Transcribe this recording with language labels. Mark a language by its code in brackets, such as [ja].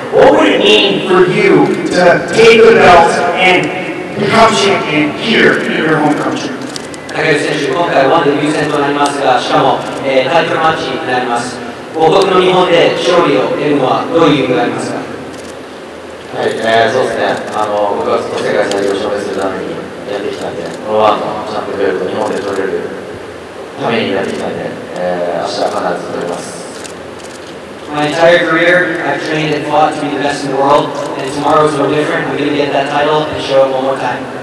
[en] What would it mean for you to take the belt and become champion here in your home country? [ja] 武尊選手、今回ONE で優先となりますが、しかも、タイトルマッチになります。母国の日本で勝利を得るのはどういう意味がありますか？はい、そうですね、僕はずっと世界最強を証明するためにやってきたんで、このワールドチャンプベルトを日本で取れるためにやってきたんで、明日は必ず取れます。 [en] My entire career, I've trained and fought to be the best in the world, and tomorrow's no different. I'm going to get that title and show it one more time.